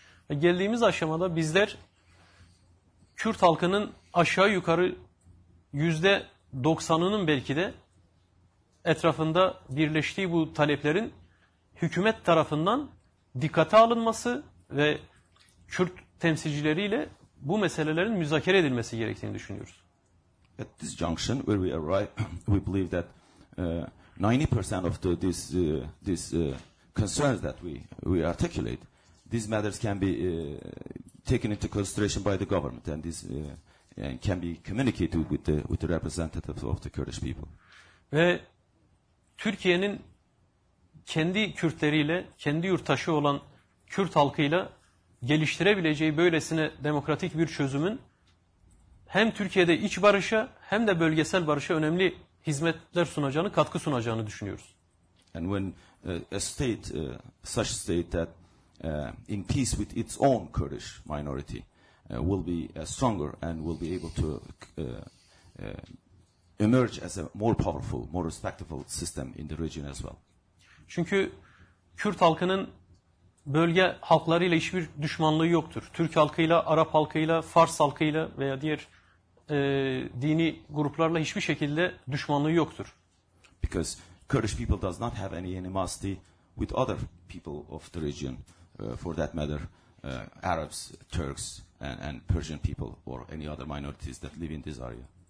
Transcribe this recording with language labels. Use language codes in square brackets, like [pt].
[tr] Geldiğimiz aşamada bizler Kürt halkının aşağı yukarı %90'ının belki de etrafında birleştiği bu taleplerin hükümet tarafından dikkate alınması ve Kürt temsilcileriyle bu meselelerin müzakere edilmesi gerektiğini düşünüyoruz. [en] At this junction where we arrive, we believe that 90% of this concerns that we articulate, these matters can be taken into consideration by the government and this and can be communicated with the representatives of the Kurdish people. [tr] Ve Türkiye'nin kendi Kürtleriyle, kendi yurttaşı olan Kürt halkıyla geliştirebileceği böylesine demokratik bir çözümün hem Türkiye'de iç barışa hem de bölgesel barışa önemli hizmetler sunacağını, katkı sunacağını düşünüyoruz. [en] And when a state, such a state that in peace with its own Kurdish minority will be stronger and will be able to emerge as a more powerful, more respectable system in the region as well. [tr] Çünkü Kürt halkının bölge halklarıyla hiçbir düşmanlığı yoktur. Türk halkıyla, Arap halkıyla, Fars halkıyla veya diğer dini gruplarla hiçbir şekilde düşmanlığı yoktur. [en] Because Kurdish people does not have any animosity with other people of the region, for that matter, Arabs, Turks and Persian people or any other minorities that live in this area.